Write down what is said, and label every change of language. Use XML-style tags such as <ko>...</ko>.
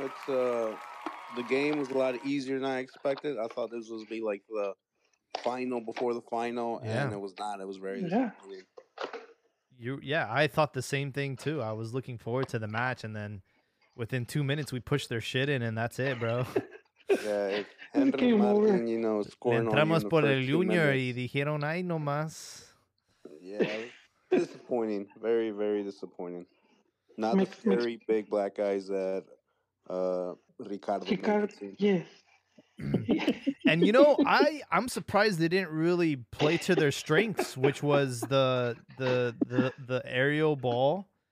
<en>It's the game was a lot easier than I expected. I thought this was be like the final before the final, and it was not. It was very easy. I thought the same thing too. I was looking forward to the match, and then within 2 minutes we pushed their shit in, and that's it, bro.</en> <es>Entramos por el Junior y dijeron ay no más.</es> <en>Yeah. Disappointing. Very, very disappointing. Not the very big black guys that Ricardo. Yes. And you know, I'm surprised they didn't really play to their strengths, which was the aerial ball.</en>